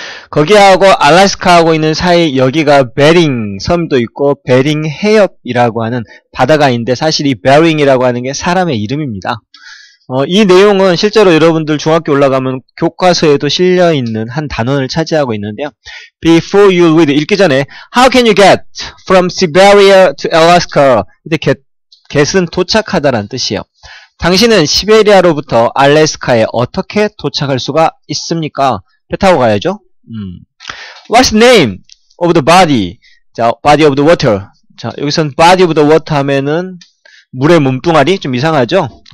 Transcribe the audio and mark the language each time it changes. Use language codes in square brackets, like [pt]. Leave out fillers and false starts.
[ko] 거기하고 알래스카하고 있는 사이, 여기가 베링 섬도 있고, 베링 해협이라고 하는 바다가 있는데, 사실 이 베링이라고 하는 게 사람의 이름입니다. 이 내용은 실제로 여러분들 중학교 올라가면 교과서에도 실려 있는 한 단원을 차지하고 있는데요. [en] Before you read, [ko] 읽기 전에 [en] How can you get from Siberia to Alaska? [ko] 이제 get은 도착하다라는 뜻이에요. 당신은 시베리아로부터 알래스카에 어떻게 도착할 수가 있습니까? 배 타고 가야죠. [en] What's the name of the body? [ko] 자, [en] body of the water. [ko] 자, 여기선 body of the water 하면은 물의 몸뚱아리? 좀 이상하죠?